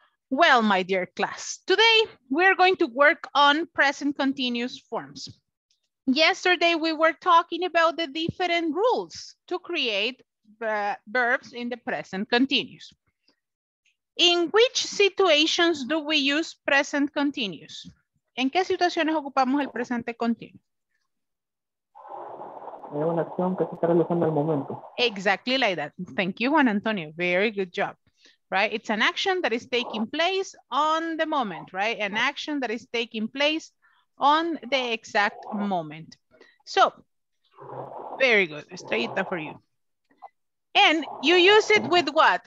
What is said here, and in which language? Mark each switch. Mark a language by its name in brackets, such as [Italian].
[English] Well, my dear class, today we're going to work on present continuous forms. Yesterday we were talking about the different rules to create verbs in the present continuous. In which situations do we use present continuous? [Spanish] ¿En qué situaciones ocupamos el presente continuo? Es una acción que se está realizando al momento. [English] Exactly like that. Thank you, Juan Antonio. Very good job. Right, it's an action that is taking place on the moment, right? An action that is taking place on the exact moment. So, very good, estrellita for you. And you use it with what?